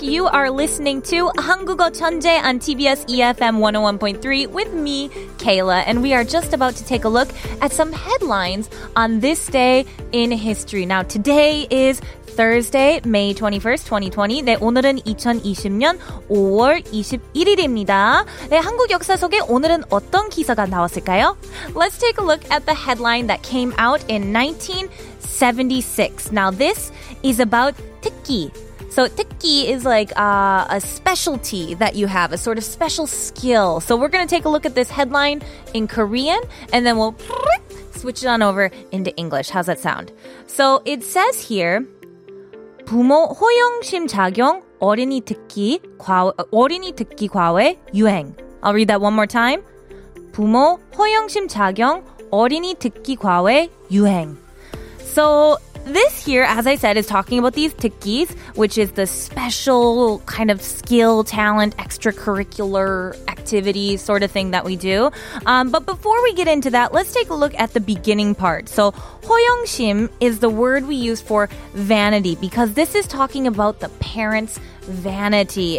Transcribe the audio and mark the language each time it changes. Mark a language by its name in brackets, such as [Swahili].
[English] You are listening to 한국어 천재 on TBS EFM 101.3 with me, Kayla. And we are just about to take a look at some headlines on this day in history. Now, today is Thursday, May 21st, 2020. [Korean] 네, 오늘은 2020년 5월 21일입니다. 네, 한국 역사 속에 오늘은 어떤 기사가 나왔을까요? [English] Let's take a look at the headline that came out in 1976. Now, this is about 특기. So, 특기 is like a specialty that you have, a sort of special skill. So, we're going to take a look at this headline in Korean, and then we'll switch it on over into English. How's that sound? So, it says here, [Korean] 부모 허용심 작용 어린이 특기 과외 유행. [English] I'll read that one more time. [Korean] 부모 허용심 작용 어린이 특기 과외 유행. [English] So this here, as I said, is talking about these 특기s, which is the special kind of skill, talent, extracurricular activity sort of thing that we do. But before we get into that, let's take a look at the beginning part. So 허용심 is the word we use for vanity because this is talking about the parents' vanity.